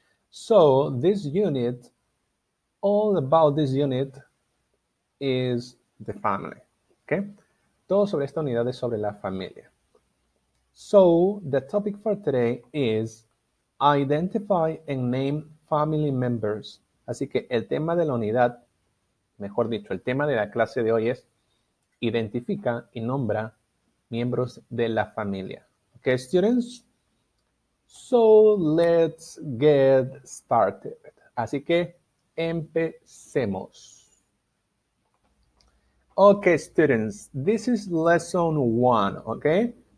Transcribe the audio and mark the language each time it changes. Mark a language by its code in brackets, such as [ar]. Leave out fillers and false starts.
[en] So, this unit, all about this unit is the family, okay? [es] Todo sobre esta unidad es sobre la familia. [en] So, the topic for today is identify and name family members. [es] Así que el tema de la unidad, mejor dicho, el tema de la clase de hoy es identifica y nombra miembros de la familia. [en] Okay, students? So, let's get started. [es] Así que empecemos. [en] Okay, students, this is lesson one, okay?